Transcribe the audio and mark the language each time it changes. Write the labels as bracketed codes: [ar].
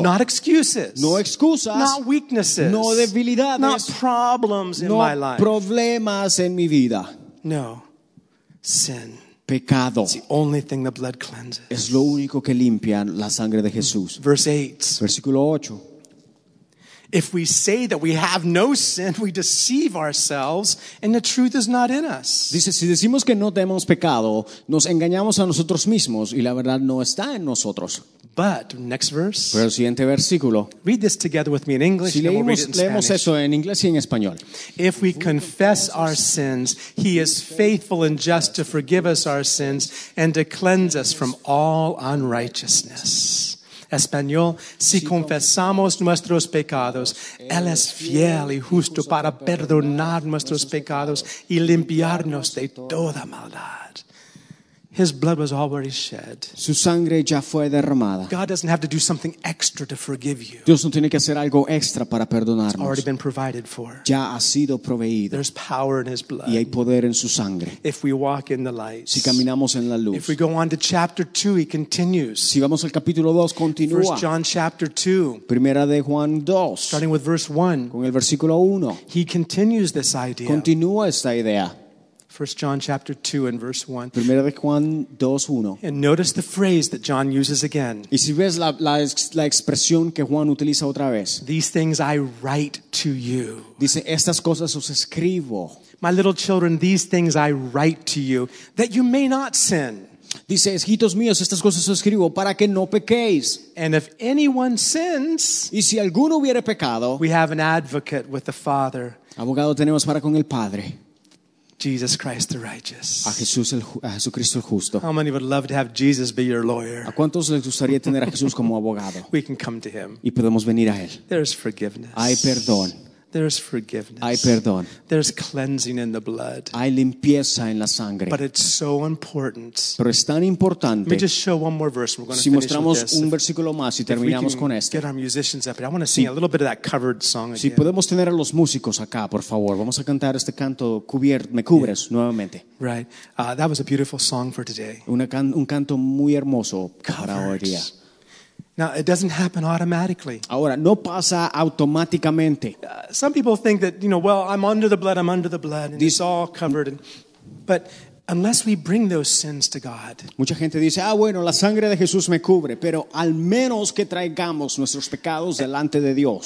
[en] Not excuses. [es] No excusas. [en] Not weaknesses. [es] No debilidades. [en] Not problems in [es] no [en] my life. [es] No problemas en mi vida. [en] No. Sin. [es] Pecado. [en] It's the only thing the blood cleanses. [es] Es lo único que limpia la sangre de Jesús. Versículo 8. [en] If we say that we have no sin, we deceive ourselves, and the truth is not in us. [es] Dice, si decimos que no tenemos pecado, nos engañamos a nosotros mismos, y la verdad no está en nosotros. [en] But, next verse. [es] Pero el siguiente versículo. [en] Read this together with me in English, [es] si [en] and we'll read it in Spanish. [es] Leemos eso en inglés y en español. [en] If we confess our sins, he is faithful and just to forgive us our sins and to cleanse us from all unrighteousness. [es] Español. Si confesamos nuestros pecados, él es fiel y justo para perdonar nuestros pecados y limpiarnos de toda maldad. [en] His blood was already shed. [es] Su sangre ya fue derramada. [en] God doesn't have to do something extra to forgive you. [es] Dios no tiene que hacer algo extra para perdonarnos. [en] It's already been provided for. [es] Ya ha sido proveído. [en] There's power in his blood. [es] Y hay poder en su sangre. [en] If we walk in the light. [es] Si caminamos en la luz. [en] If we go on to chapter 2, he continues. [es] Si vamos al capítulo 2, continúa. [en] First John chapter 2. [es] Primera de Juan 2. [en] Starting with verse 1. [es] Con el versículo 1. [en] He continues this idea. [es] Continúa esta idea. [en] First John chapter 2 and verse 1. [es] Primera de Juan 2:1. [en] And notice the phrase that John uses again. [es] Y si ves la expresión que Juan utiliza otra vez. [en] These things I write to you. [es] Dice, estas cosas os escribo. [en] My little children, these things I write to you, that you may not sin. [es] Dice, hijitos míos, estas cosas os escribo para que no pequéis. [en] And if anyone sins, [es] y si alguno hubiere pecado, [en] we have an advocate with the Father. [es] Abogado tenemos para con el Padre. [en] Jesus Christ the righteous. [es] A Jesús el, a Jesucristo el justo. [en] How many would love to have Jesus be your lawyer? [es] ¿A cuántos les gustaría tener a Jesús como abogado? [en] We can come to him. [es] Y podemos venir a él. [en] There's forgiveness. [es] Hay perdón. [en] There's forgiveness. [es] Hay perdón. [en] There's cleansing in the blood. [es] Hay limpieza en la sangre. [en] But it's so important. [es] Pero es tan importante. [en] Let me just show one more verse. We're going to [es] si [en] finish [es] mostramos [en] with this. [es] Un versículo más y [en] if [es] terminamos [en] we can [es] con este. [en] Get our musicians up here. I want to sing a little bit of that covered song again. [es] Si podemos tener a los músicos acá, por favor. Vamos a cantar este canto, Me cubres, yeah. Nuevamente. [en] Right. That was a beautiful song for today. [es] Un canto muy hermoso para hoy día. [en] Now it doesn't happen automatically. [es] Ahora no pasa automáticamente. [en] Some people think that, you know, well, I'm under the blood and it's all covered and, but unless we bring those sins to God. [es] Mucha gente dice, "Ah, bueno, la sangre de Jesús me cubre, pero al menos que traigamos nuestros pecados delante de Dios."